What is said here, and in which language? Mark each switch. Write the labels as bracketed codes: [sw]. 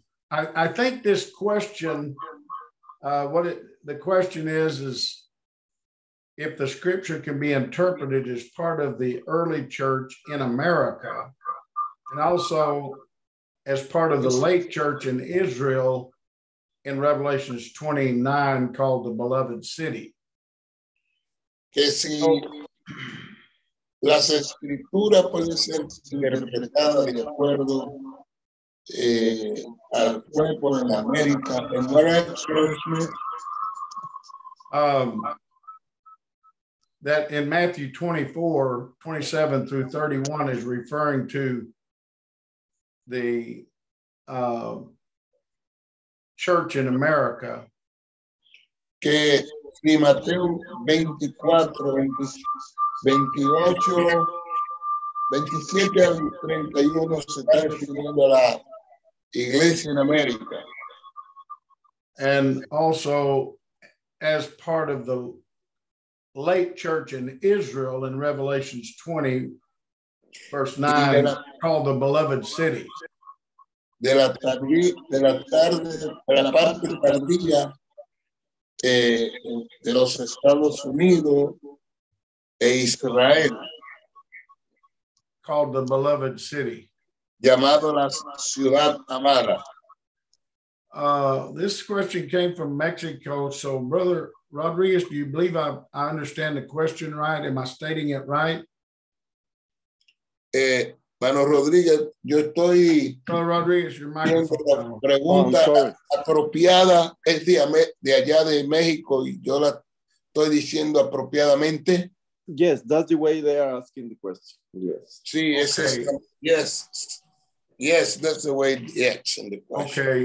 [en] I think this question, the question is if the scripture can be interpreted as part of the early church in America, and also as part of the late church in Israel in Revelation 29, called the Beloved City. [es] Que si las escrituras pueden ser interpretadas de acuerdo al cuerpo en América. [en] And what I'm saying is that in Matthew 24, 27 through 31 is referring to the church in America. [es] Que si Mateo 24, 28, 27 al 31 se está refiriendo a la iglesia en América. [en] And also as part of the late church in Israel in Revelation 20, verse 9, called the Beloved City. [es] De la tarde, de la parte tardía de los Estados Unidos e Israel. [en] Called the Beloved City. [es] Llamado la Ciudad Amada. [en] This question came from Mexico. So, Brother Rodriguez, do you believe I understand the question right? Am I stating it right? [es] Mano Rodriguez, yo estoy. [en] Brother Rodriguez, your microphone. [es] La pregunta apropiada es de allá de México y yo la estoy diciendo apropiadamente. [en] Yes, that's the way they are asking the question. Yes. [es] Sí, okay. Ese es. [en] Yes, that's the way they are asking the question.